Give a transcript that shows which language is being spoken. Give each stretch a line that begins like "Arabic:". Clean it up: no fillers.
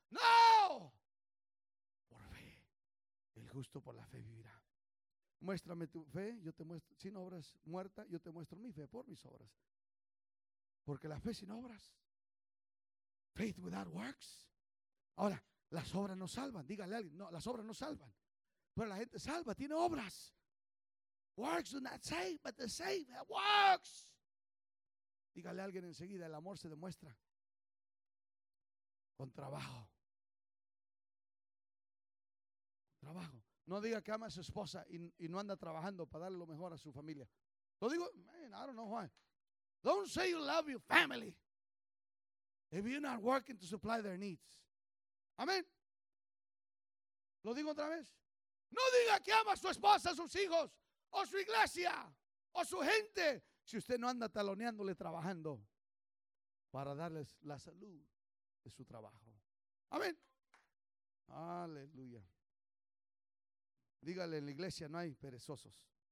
Spanish: ¡No! Por fe. El justo por la fe vivirá. Muéstrame tu fe, yo te muestro. Sin obras muerta, yo te muestro mi fe por mis obras. Porque la fe sin obras.
English: Faith without works.
Spanish: Ahora, las obras no salvan. Dígale a alguien, no, las obras no salvan. Pero la gente salva, tiene obras.
English: Works do not save, but the save works.
Spanish: Dígale a alguien enseguida, el amor se demuestra con trabajo. Con trabajo. No diga que ama a su esposa y no anda trabajando para darle lo mejor a su familia. Lo digo,
English: man, I don't know why. Don't say you love your family if you're not working to supply their needs.
Spanish: Amén. Lo digo otra vez. No diga que ama a su esposa, a sus hijos. O su iglesia, o su gente. Si usted no anda taloneándole, trabajando para darles la salud de su trabajo. Amén. Aleluya. Dígale, en la iglesia no hay perezosos.